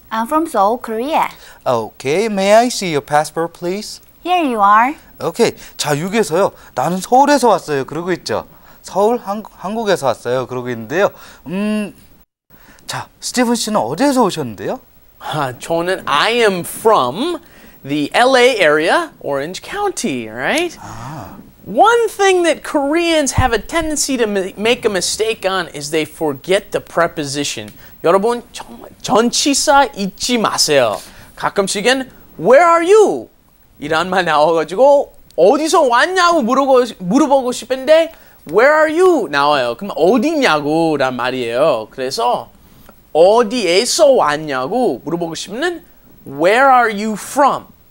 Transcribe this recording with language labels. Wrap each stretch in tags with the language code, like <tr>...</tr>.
<en>I'm from Seoul, Korea. Okay, may I see your passport, please? Here you are.</en> <ko>Okay, 자, 여기에서요. 나는 서울에서 왔어요. 그러고 있죠? 서울, 한국에서 왔어요. 그러고 있는데요. 자, 스티븐 씨는 어디에서 오셨는데요? 저는</ko> <en>I am from the LA area, Orange County, right? One thing that Koreans have a tendency to make a mistake on is they forget the preposition.</en> <ko>여러분, 전치사 잊지 마세요. 가끔씩은</ko> <en>where are you?</en> <ko>이런 말 나와가지고 어디서 왔냐고 물어보고 싶은데 where are you? 나와요. 그럼 어디냐고 란 말이에요. 그래서 어디에서 왔냐고 물어보고 싶으면</ko> <en>where are you from?</en>